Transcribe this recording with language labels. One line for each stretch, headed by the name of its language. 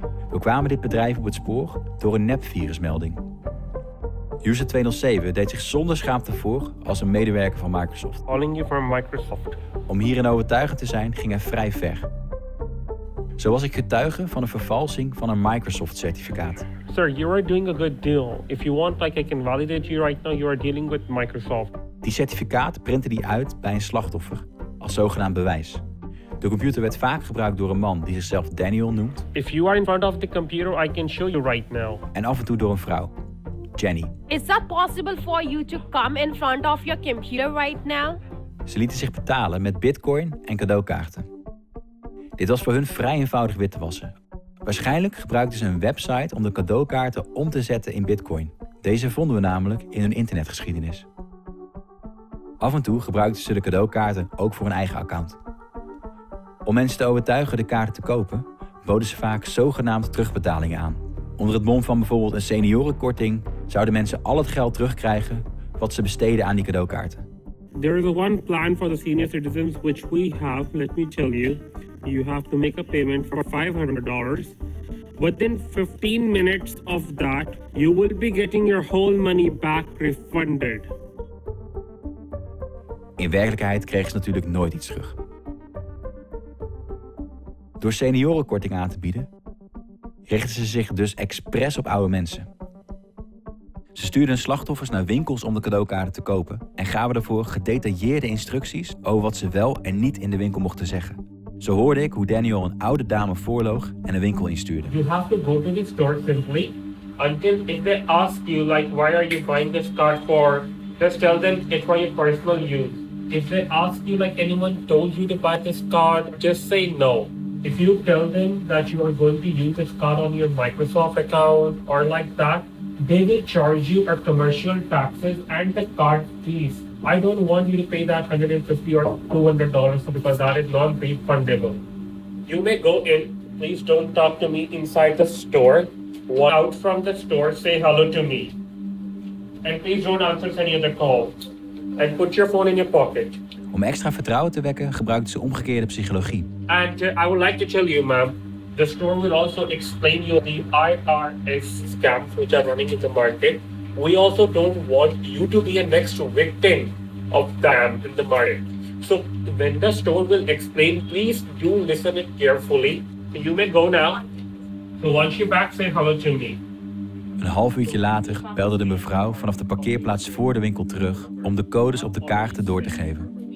Dutch: We kwamen dit bedrijf op het spoor door een nepvirusmelding. User 207 deed zich zonder schaamte voor als een medewerker van Microsoft.
English: Calling you from Microsoft.
Dutch: Om hierin overtuigend te zijn, ging hij vrij ver. Zo was ik getuige van een vervalsing van een Microsoft-certificaat.
English: Sir, you are doing a good deal. If you want, like I can validate you right now, you are dealing with Microsoft.
Dutch: Die certificaat printte hij uit bij een slachtoffer, als zogenaamd bewijs. De computer werd vaak gebruikt door een man die zichzelf Daniel noemt.
English: If you are in front of the computer, I can show you right now.
Dutch: En af en toe door een vrouw, Jenny.
English: Is that possible for you to come in front of your computer right now?
Dutch: Ze lieten zich betalen met bitcoin en cadeaukaarten. Dit was voor hun vrij eenvoudig wit te wassen. Waarschijnlijk gebruikten ze een website om de cadeaukaarten om te zetten in bitcoin. Deze vonden we namelijk in hun internetgeschiedenis. Af en toe gebruikten ze de cadeaukaarten ook voor hun eigen account. Om mensen te overtuigen de kaarten te kopen, boden ze vaak zogenaamd terugbetalingen aan. Onder het mom van bijvoorbeeld een seniorenkorting zouden mensen al het geld terugkrijgen wat ze besteden aan die cadeaukaarten.
English: There is one plan for the senior citizens which we have, let me tell you. You have to make a payment for $500. Within 15 minutes of that, you will be getting your whole money back refunded.
Dutch: In werkelijkheid kregen ze natuurlijk nooit iets terug. Door seniorenkorting aan te bieden, richtten ze zich dus expres op oude mensen. Ze stuurden hun slachtoffers naar winkels om de cadeaukaarten te kopen en gaven daarvoor gedetailleerde instructies over wat ze wel en niet in de winkel mochten zeggen. Zo hoorde ik hoe Daniel een oude dame voorloog en een winkel instuurde.
English: You have to go to the store simply until if they ask you like why are you buying this card for, just tell them it's for your personal use. If they ask you like anyone told you to buy this card, just say no. If you tell them that you are going to use this card on your Microsoft account or like that, they will charge you a commercial taxes and the card fees. I don't want you to pay that $150 or $200 because that is non-refundable. You may go in. Please don't talk to me inside the store. Walk out from the store, say hello to me. And please don't answer any other calls. And put your phone in your pocket.
Dutch: Om extra vertrouwen te wekken, gebruikten ze omgekeerde psychologie.
English: And I would like to tell you, ma'am, the store will also explain you the IRS scams which are running in the market. We also don't want you to be a next victim of them in the market. So when the store will explain, please do listen it carefully. You may go now. So once you're back, say hello to me.
Dutch: Een half uurtje later belde de mevrouw vanaf de parkeerplaats voor de winkel terug om de codes op de kaarten door te geven.